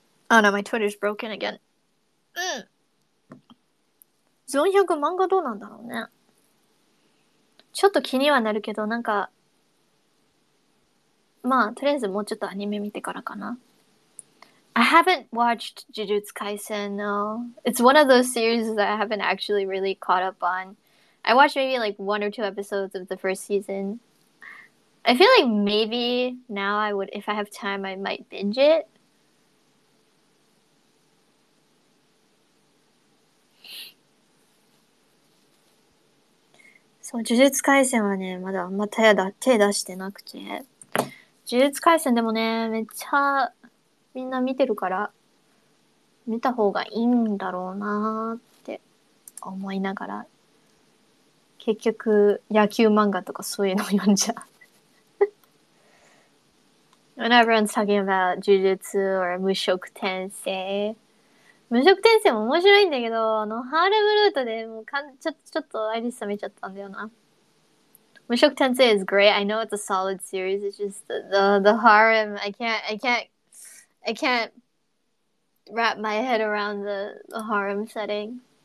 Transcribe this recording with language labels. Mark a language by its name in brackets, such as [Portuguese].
[English] Oh no, my Twitter's broken again. [Japanese] うん。ゾン100漫画どうなんだろうね。ちょっと気にはなるけど、なんか、まあ、とりあえずもうちょっとアニメ見てからかな。 [English] I haven't watched Jujutsu Kaisen, no. It's one of those series that I haven't actually really caught up on. I watched maybe like one or two episodes of the first season. I feel like maybe now I would, if I have time, I might binge it. [Japanese] そう、Jujutsu Kaisen はね、まだあんま手出してなくて。呪術廻戦でもね、めっちゃみんな見てるから、見た方がいいんだろうなーって思いながら、結局野球漫画とかそういうの読んじゃう。 [English] When everyone's talking about 呪術 or 無職転生。 [Japanese] 無職転生も面白いんだけど、あのハーレムルートでもうちょっとアイリス冷めちゃったんだよな。 [English] 無職転生 is great. I know it's a solid series. It's just the harem. I can't wrap my head around the harem setting.